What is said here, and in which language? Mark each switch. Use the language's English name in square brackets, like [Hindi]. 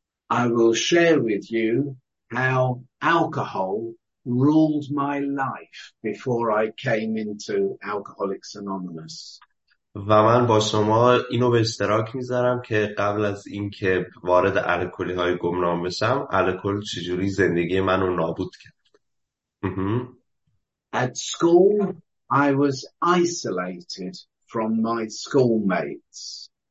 [English] I will share with you how alcohol ruled my life before I came into Alcoholics Anonymous. [Persian] و من با شما اینو به اشتراک میذارم که قبل از اینکه وارد الکلی های گمنام بشم الکل چجوری زندگی منو نابود کرد. [English] At school I was isolated from my schoolmates.